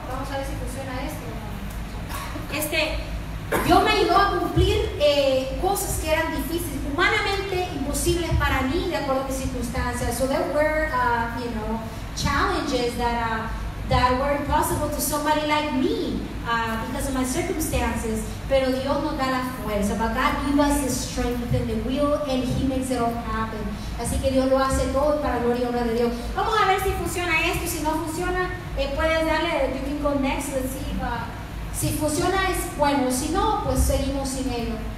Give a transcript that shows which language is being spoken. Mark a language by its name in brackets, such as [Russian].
[Spanish] Vamos a ver si funciona esto. Dios me ayudó a cumplir cosas que eran difíciles, humanamente imposibles para mí, de acuerdo a mis circunstancias. [English] So there were, you know, challenges that were impossible to somebody like me because of my circumstances. [Spanish] Pero Dios nos da la fuerza. [English] But God gives us the strength and the will, and He makes it all happen. [Spanish] Así que Dios lo hace todo para gloria y honra de Dios. Vamos a ver si funciona esto. Si no funciona, puedes darle. [English] You can go next. Let's see if. [Spanish] Si funciona es bueno, si no, pues seguimos sin ello.